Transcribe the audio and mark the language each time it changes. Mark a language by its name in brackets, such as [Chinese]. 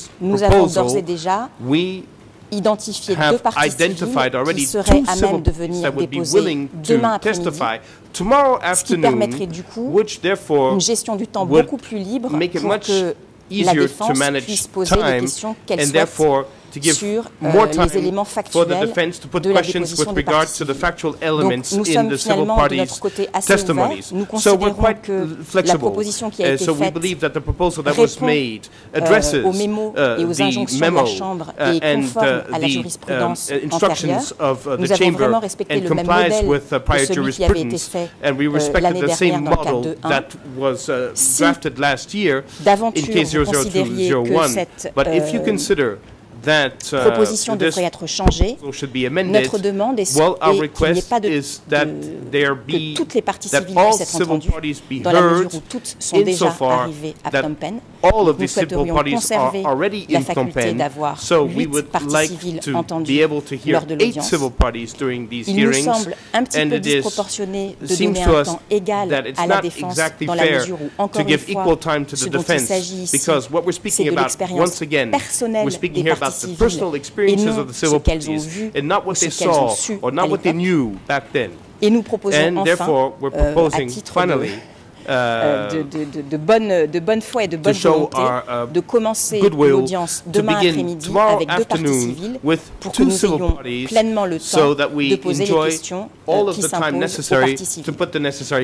[French] nous avons d'ores et déjà identifié deux parties civiles qui seraient à même de venir déposer demain après-midi, [English] tomorrow afternoon, [French] ce qui permettrait du coup [English] which, therefore, [French] une gestion du temps beaucoup plus libre pour que la défense puisse poser les questions qu'elle souhaite [English] to give more time for the defense to put questions with regard to the factual elements in the civil parties' testimonies. So we're quite flexible. So we believe that the proposal that was made addresses the memo and the instructions of the chamber and complies with prior jurisprudence. And we respected the same model that was drafted last year in case 00201. But if you consider that [French] proposition devrait être changée, [English] should be amended, [French] notre demande est [English] our request [French] qu'il n'y ait pas [English] is that there be [French] que toutes les parties civiles puissent être entendues dans la mesure où toutes sont déjà arrivées à Phnom Penh. [English] All of these civil parties are already in Phnom Penh, so we would like to be able to hear 8 civil parties during these hearings, and it seems to us that it's not exactly fair to give equal time to the defense, because what we're speaking about, once again, we're speaking here about the personal experiences of the civil parties, and not what they saw or not what they knew back then. And therefore, we're proposing, finally, [French] de bonne foi et de bonne volonté de commencer l'audience demain après-midi avec deux parties civiles pour que nous ayons pleinement le temps de poser les questions qui s'imposent aux parties civiles.